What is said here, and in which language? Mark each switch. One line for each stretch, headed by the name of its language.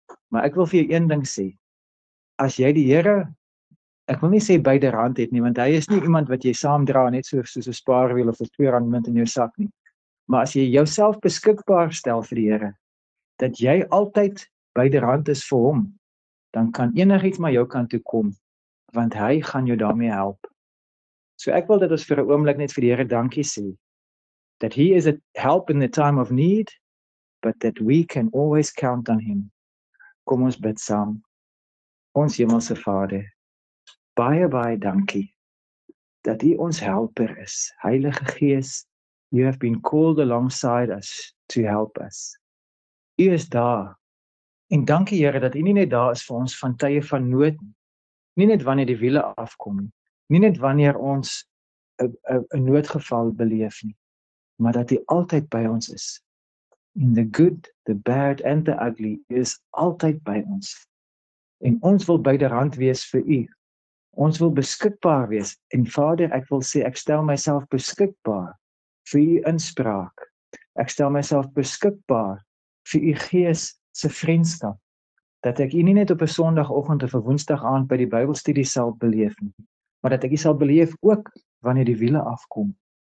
Afrikaans: Maar ek wil vir jou een ding sê. As jy die Here, ek wil nie sê byderhand het nie, want hy is nie iemand wat jy saamdra net soos 'n spaarwiel of 'n R2 munt in jou sak nie. Maar as jy jouself beskikbaar stel vir die Here, dat jy altyd byderhand is vir hom, dan kan enigiets maar jou kant toe kom, want hy gaan jou daarmee help. So ek wil dat ons vir 'n oomblik net vir die Here dankie sê.
English: That he is a help in the time of need, but that we can always count on him.
Afrikaans: Kom ons bid saam. Ons hemelse Vader, baie baie dankie dat u ons helper is.
English: Heilige Gees, you have been called alongside us to help us.
Afrikaans: U is daar. En dankie Here dat u nie net daar is vir ons van tye van nood nie. Nie net wanneer die wiele afkom nie. Nie net wanneer ons 'n noodgeval beleef nie, maar dat hy altyd by ons is.
English: In the good, the bad and the ugly
Afrikaans: is altyd by ons. En ons wil byderhand wees vir u. Ons wil beskikbaar wees. En Vader, ek wil sê, ek stel myself beskikbaar vir u inspraak. Ek stel myself beskikbaar vir u Gees se vriendskap. Dat ek u nie net op 'n Sondagoggend of 'n Woensdagaand by die Bybelstudie sal beleef nie, maar dat ek u sal beleef ook wanneer die wiele afkom.